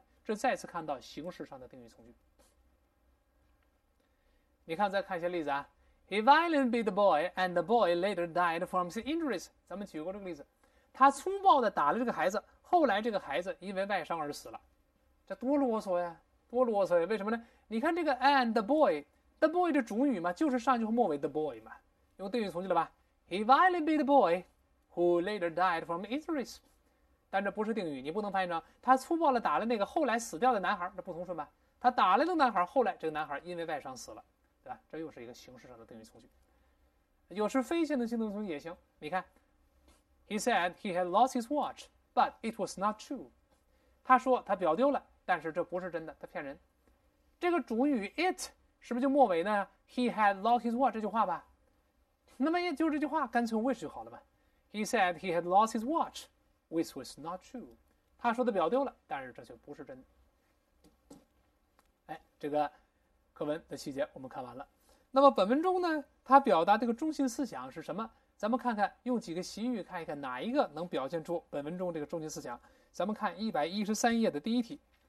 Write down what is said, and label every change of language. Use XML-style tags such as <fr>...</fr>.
<zh>这再次看到形式上的定语从句。你看，再看一些例子啊。</zh> <en>He violently beat the boy, and the boy later died from his injuries.</en> <zh>咱们举过这个例子，他粗暴地打了这个孩子，后来这个孩子因为外伤而死了。这多啰嗦呀，多啰嗦呀！为什么呢？你看这个 and the boy 的主语嘛，就是上句和末尾 the boy 嘛，用定语从句了吧 ？</zh> <en>He violently beat the boy, who later died from injuries.</en> <zh>但这不是定语，你不能翻译成他粗暴地打了那个后来死掉的男孩，这不通顺吧？他打了那个男孩，后来这个男孩因为外伤死了。这又是一个形式上的定语从句，有时非线性的从句也行。你看</zh> <en>，He said he had lost his watch, but it was not true。</en> <zh>他说他表丢了，但是这不是真的，他骗人。这个主语 it 是不是就末尾呢 ？</zh> <en>He had lost his watch</en> <zh>这句话吧，那么也就这句话，干脆用 which 就好了嘛。</zh> <en>He said he had lost his watch, which was not true。</en> <zh>他说他表丢了，但是这就不是真的。哎，这个。课文的细节我们看完了，那么本文中呢，它表达这个中心思想是什么？咱们看看用几个习语看一看哪一个能表现出本文中这个中心思想。咱们看113页的第一题。</zh>